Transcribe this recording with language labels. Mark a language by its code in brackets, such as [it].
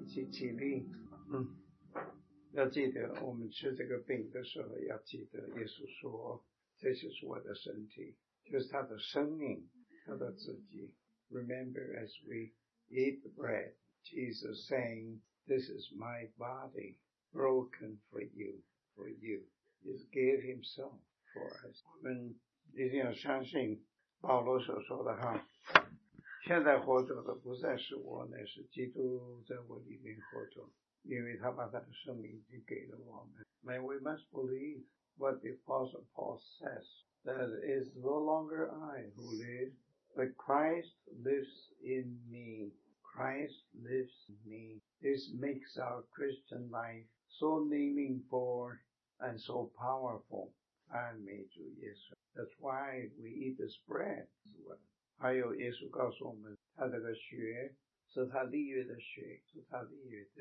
[zh] 起立，要记得我们吃这个饼的时候，要记得耶稣说，这就是我的身体，就是他的生命，他的自己。 [en] Remember as we eat the bread, Jesus saying, this is my body broken for you. He gave himself for us. [zh] 我们一定要相信保罗所说的哈，现在活着的不再是我，乃是基督在我里面活着，因为他把他的生命已经给了我们。 [en] May we must believe what the Apostle Paul says, that it is no longer I who live, but Christ lives in me. Christ lives in me. This makes our Christian life so meaningful and so powerful. [zh] 赞美主耶稣。 [en] That's why we eat this bread. [zh] 还有耶稣告诉我们，他这个血是他立约的血，是他立约。